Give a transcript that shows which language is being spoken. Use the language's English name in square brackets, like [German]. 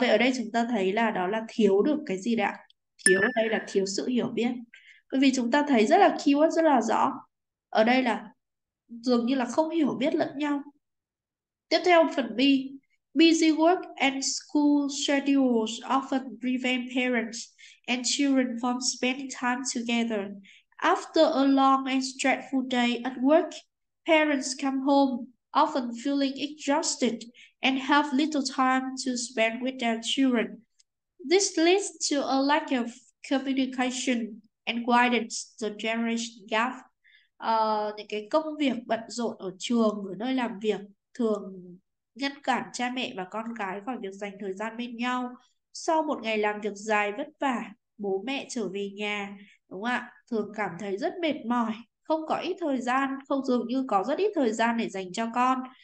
[Vietnamese] Vậy ở đây chúng ta thấy là đó là thiếu được cái gì đấy ạ? Thiếu ở đây là thiếu sự hiểu biết. Bởi vì chúng ta thấy rất là keyword rất là rõ. Ở đây là dường như là không hiểu biết lẫn nhau. Tiếp theo phần B. [English] Busy work and school schedules often prevent parents and children from spending time together. After a long and stressful day at work, parents come home often feeling exhausted and have little time to spend with their children. This leads to a lack of communication and widens the generation gap. [Vietnamese] Những cái công việc bận rộn ở trường, ở nơi làm việc thường ngăn cản cha mẹ và con cái khỏi việc dành thời gian bên nhau. Sau một ngày làm việc dài vất vả, bố mẹ trở về nhà, đúng không ạ? Thường cảm thấy rất mệt mỏi, không có ít thời gian, không dường như có rất ít thời gian để dành cho con.